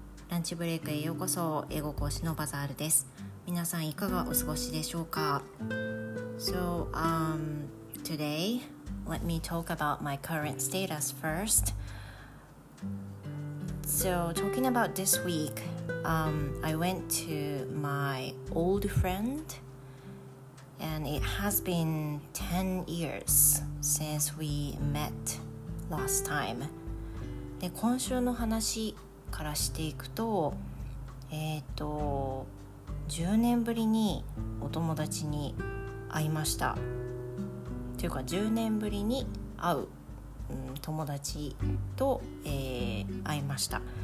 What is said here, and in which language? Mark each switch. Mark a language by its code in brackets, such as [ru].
[ja] ランチブレイクへようこそ。英語講師のバザールです。皆さんいかがお過ごしでしょうか。 [en] So, today, let me talk about my current status first. So, talking about this week, I went to my old friend. And it has been 10 years since we met last time. [ja] で、今週の話からしていくと、10年ぶりにお友達に会いました。というか、10年ぶりに会う、友達と、会いました。